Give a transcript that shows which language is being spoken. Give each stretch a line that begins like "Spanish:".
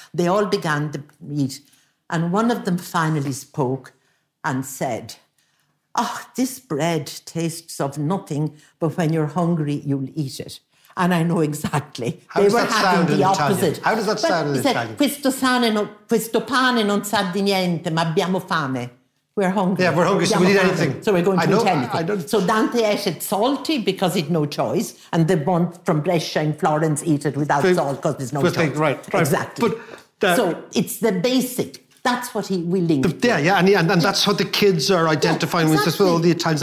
English: They all began to eat. And one of them finally spoke and said, "Oh, this bread tastes of nothing, but when you're hungry, you'll eat it." And I know exactly. How they were having the opposite. Italian? How does that sound in Italian?
Italian: Questo pane non sa di niente, ma abbiamo fame.
English: We're hungry. Yeah, we're hungry, so we need anything. So we're going to eat anything. So Dante ate it salty because he'd no choice, and the one from Brescia in Florence eat it without salt because there's no choice. Right. Exactly. But so it's the basic. That's what he willing. And that's what the kids are identifying with this, all the Italians.